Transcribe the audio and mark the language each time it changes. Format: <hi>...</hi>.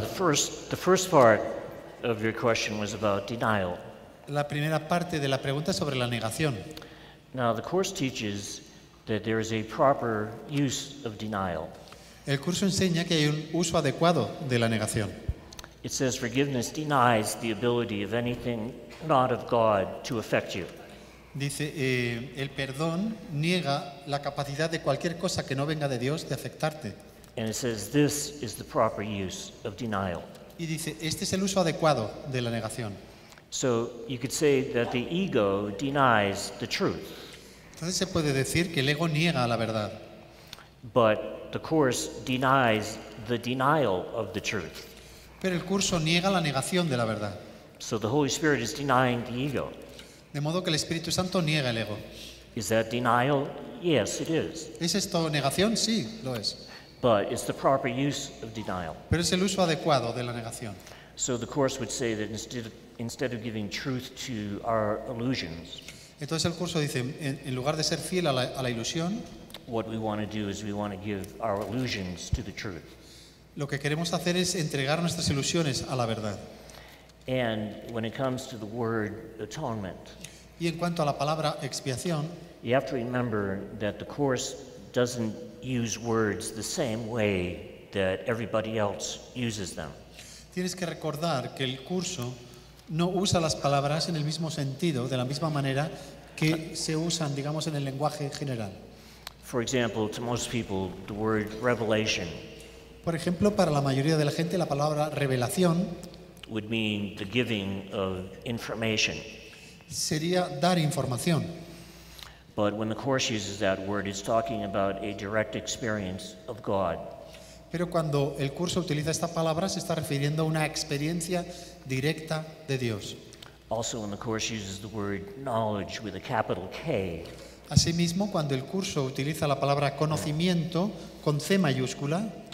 <en>the first part of your question was about denial.</en> <es>La primera parte de la pregunta sobre la negación.</es> <en>Now the course teaches that there is a proper use of denial.</en> <es>El curso enseña que hay un uso adecuado de la negación.</es> <en>It says forgiveness denies the ability of anything not of God to affect you.</en> <es>Dice, el perdón niega la capacidad de cualquier cosa que no venga de Dios de afectarte.</es> <en>And it says this is the proper use of denial.</en> <es>Y dice, este es el uso adecuado de la negación.</es> <en>So you could say that the ego denies the truth.</en> <es>Entonces se puede decir que el ego niega la verdad.</es> <en>But the course denies the denial of the truth.</en> <es>Pero el curso niega la negación de la verdad.</es> <en>So the Holy Spirit is denying the ego.</en> <es>De modo que el Espíritu Santo niega el ego.</es> <en>Is that denial? Yes, it is.</en> <es>¿Es esto negación? Sí, lo es.</es> <en>But it's the proper use of denial.</en> <es>Pero es el uso adecuado de la negación.</es> <en>So the course would say that instead of giving truth to our illusions.</en> <es>Entonces el curso dice, en lugar de ser fiel a la ilusión,</es> <en>what we want to do is we want to give our illusions to the truth.</en> <es>Lo que queremos hacer es entregar nuestras ilusiones a la verdad.</es> <en>And when it comes to the word atonement.</en> <es>Y en cuanto a la palabra expiación,</es> <en>you have to remember that the course doesn't use words the same way that everybody else uses them.</en> <es>Tienes que recordar que el curso no usa las palabras en el mismo sentido, de la misma manera que se usan, digamos, en el lenguaje general.</es> <en>For example, to most people, the word revelation.</en> <es>Por ejemplo, para la mayoría de la gente, la palabra revelación</es> <en>would mean the giving of information.</en> <es>Sería dar información.</es> <en>But when the course uses that word, it's talking about a direct experience of God.</en> <es>Pero cuando el curso utiliza esta palabra, se está refiriendo a una experiencia directa de Dios.</es> <en>Also, when the course uses the word knowledge with a capital K.</en> <es>Asimismo, cuando el curso utiliza la palabra conocimiento con C mayúscula,</es>